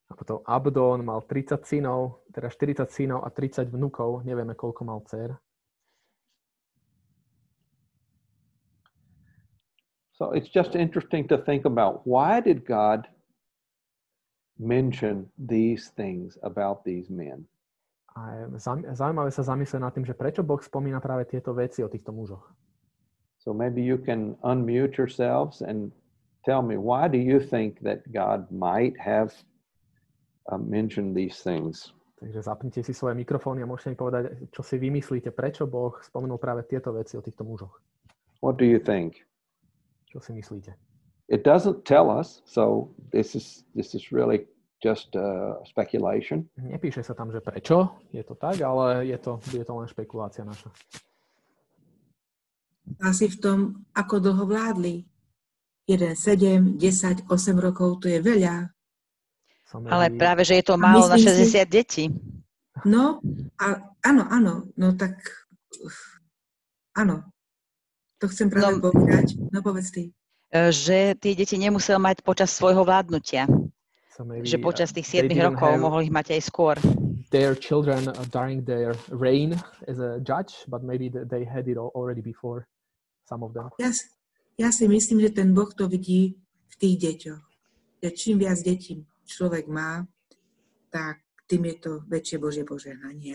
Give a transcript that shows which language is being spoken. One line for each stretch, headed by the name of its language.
Slovak: A potom Abdon mal 30 synov, teda 40 synov a 30 vnukov. Nevieme, koľko mal dcer.
English: So it's just interesting to think about why did God mention these things about these men?
Slovak: A je zaujímavé sa zamyslieť nad tým, že prečo Boh spomína práve tieto veci o týchto mužoch.
English: So maybe you can unmute yourselves and tell me, why do you think that God might have mentioned these things?
Slovak: Takže zapnite si svoje mikrofóny a môžete mi povedať, čo si vymyslíte, prečo Boh spomenul práve tieto veci o týchto mužoch.
English: What do you think?
Slovak: Čo si myslíte?
English: It doesn't tell us, so this is really just speculation.
Slovak: Nepíše sa tam, že prečo je to tak, ale je to len špekulácia naša. Asi v tom, ako dlho vládli. 1, 7, 10, 8 rokov, to je veľa. Ale práve, že je to málo na 60 detí. No, áno. No tak, áno. To chcem práve povedať. No povedz ty. Že tie deti nemusel mať počas svojho vládnutia. Že počas tých 7 rokov mohli ich mať aj skôr.
English: Their children during their reign as a judge, but maybe they had it already before, some of them. Yes.
Slovak: Ja si myslím, že ten Boh to vidí v tých deťoch. Že čím viac detí človek má, tak tým je to väčšie Božie požehnanie.